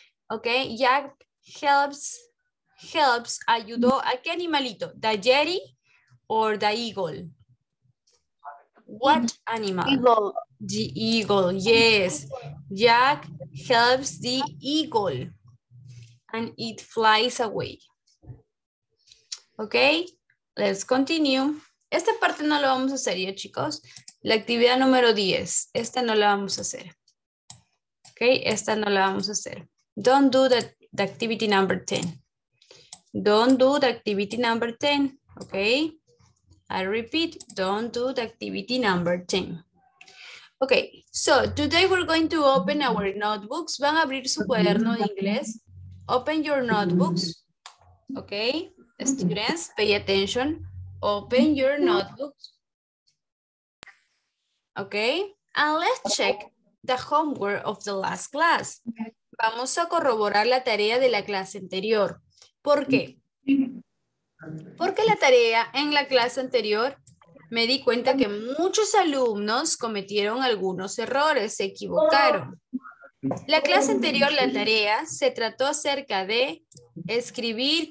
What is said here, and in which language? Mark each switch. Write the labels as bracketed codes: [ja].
[en] Okay, Jack helps, [es] ayudó a qué animalito? [en] The jetty or the eagle? What animal? Eagle. The eagle, yes. Jack helps the eagle and it flies away. Okay, let's continue. [es] Esta parte no la vamos a hacer ya, chicos. La actividad número 10. Esta no la vamos a hacer. Okay, esta no la vamos a hacer. [en] Don't do the activity number 10. Don't do the activity number 10. Okay, I repeat, don't do the activity number 10. Okay, so today we're going to open our notebooks. [es] Van a abrir su cuaderno de inglés. [en] Open your notebooks. Okay, students, pay attention. Open your notebooks. Okay, and let's check the homework of the last class. [es] Vamos a corroborar la tarea de la clase anterior. ¿Por qué? Porque la tarea en la clase anterior... Me di cuenta que muchos alumnos cometieron algunos errores, se equivocaron. La clase anterior, la tarea, se trató acerca de escribir.